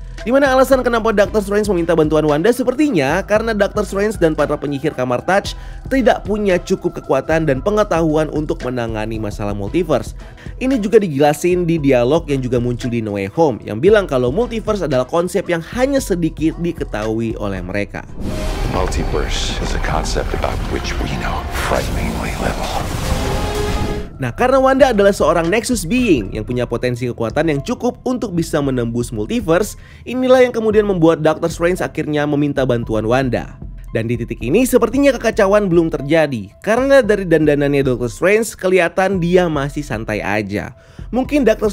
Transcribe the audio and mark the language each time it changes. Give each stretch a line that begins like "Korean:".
Indonesian: Dimana alasan kenapa Dr. Strange meminta bantuan Wanda sepertinya karena Dr. Strange dan para penyihir kamar Touch tidak punya cukup kekuatan dan pengetahuan untuk menangani masalah multiverse. Ini juga dijelasin di dialog yang juga muncul di No Way Home yang bilang kalau multiverse adalah konsep yang hanya sedikit diketahui oleh mereka.
English: Multiverse is a concept about which we know frighteningly little.
Indonesian: Nah, karena Wanda adalah seorang Nexus Being yang punya potensi kekuatan yang cukup untuk bisa menembus multiverse, inilah yang kemudian membuat Dr. Strange akhirnya meminta bantuan Wanda. Dan di titik ini, sepertinya kekacauan belum terjadi. Karena dari dandanannya Dr. Strange, kelihatan dia masih santai aja. Mungkin Dr.